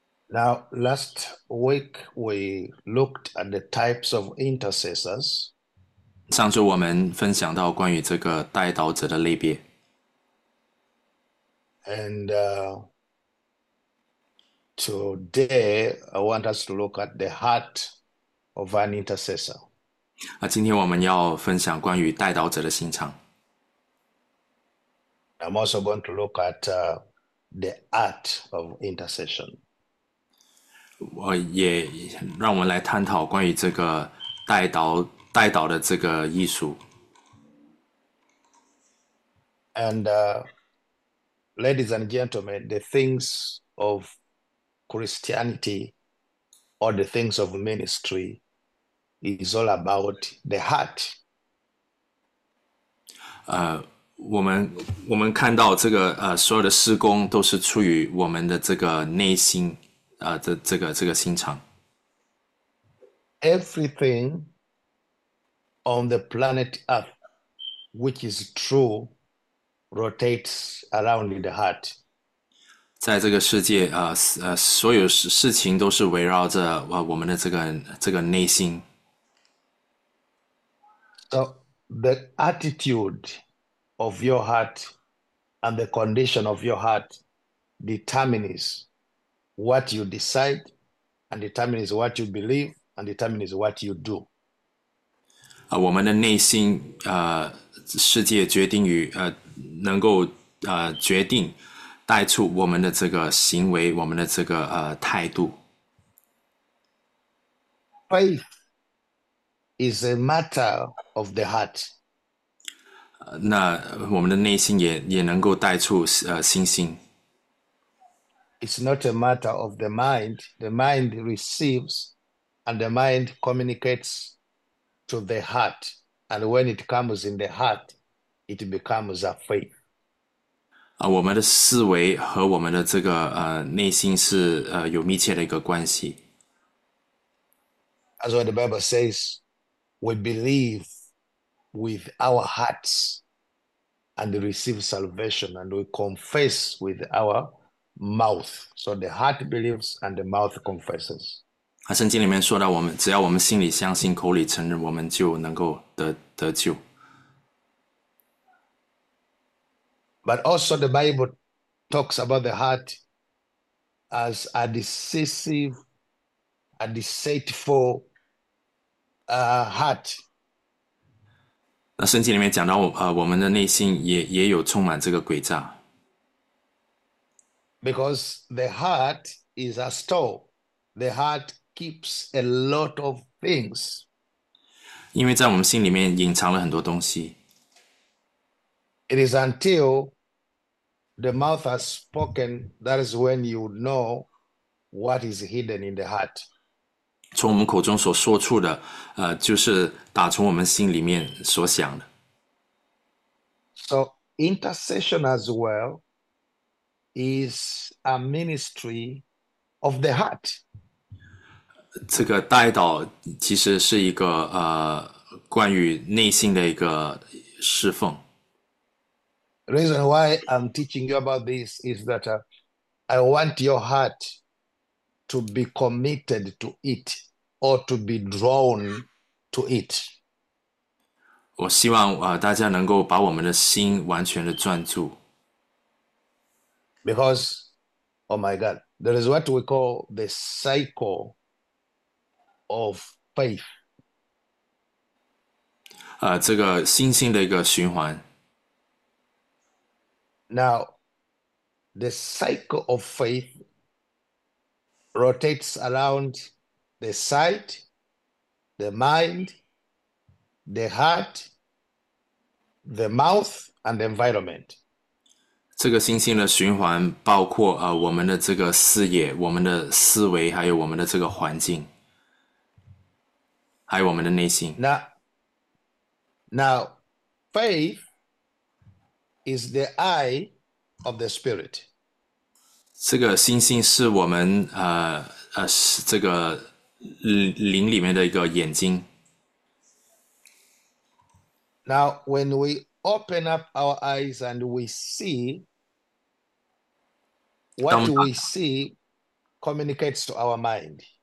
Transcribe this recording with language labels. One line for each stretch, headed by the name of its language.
English: Now, last week we looked at the types of intercessors.
Chinese: 上周我们分享到关于这个代祷者的类别。
English: And today I want us to look at the heart of an intercessor.
Chinese: 今天我们要分享关于代祷者的心肠。
English: I'm also going to look at the art of intercession.
Chinese: 我也让我们来探讨关于这个代祷的这个艺术。
English: And ladies and gentlemen, the things of Christianity or the things of ministry is all about the heart.
Chinese: 我们看到这个所有的事工都是出于我们的这个内心。这个心肠。
English: Everything on the planet Earth, which is true, rotates around the heart.
Chinese: 在这个世界，所有事情都是围绕着我们的这个内心。
English: So the attitude of your heart and the condition of your heart determines what you decide, and determines what you believe, and determines what you do.
Chinese: 我们的内心，世界决定于，能够，决定，带出我们的这个行为，我们的这个，态度。
English: Faith is a matter of the heart.
Chinese: 那我们的内心也能够带出，信心。
English: It It's not a matter of the mind. The mind receives and the mind communicates to the heart. And when it comes in the heart, it becomes a faith.
Chinese: 我们的思维和我们的这个内心是有密切的一个关系。
English: As what the Bible says, we believe with our hearts and receive salvation, and we confess with our mouth. So the heart believes and the mouth confesses.
Chinese: 啊，圣经里面说到，我们只要我们心里相信，口里承认，我们就能够得救。
English: But also the Bible talks about the heart as a decisive, a deceitful heart.
Chinese: 那圣经里面讲到，我们的内心也有充满这个诡诈。
English: Because the heart is a store. The heart keeps a lot of things.
Chinese: 因为在我们心里面隐藏了很多东西。
English: It is until the mouth has spoken, that is when you know what is hidden in the heart.
Chinese: 从我们口中所说出的，就是打从我们心里面所想的。
English: So intercession as well is a ministry of the heart.
Chinese: 这个代祷其实是一个关于内心的一个侍奉。
English: The reason why I'm teaching you about this is that I want your heart to be committed to it or to be drawn to it.
Chinese: 我希望大家能够把我们的心完全的专注。
English: Because, oh my God, there is what we call the cycle of faith.
Chinese: 这个新兴的一个循环。
English: Now, the cycle of faith rotates around the sight, the mind, the heart, the mouth, and the environment.
Chinese: 这个新兴的循环包括我们的这个视野、我们的思维，还有我们的这个环境，还有我们的内心。
English: Now, faith is the eye of the spirit.
Chinese: 这个星星是我们是这个灵里面的一个眼睛。
English: Now, when we open up our eyes and we see, what we see communicates to our mind.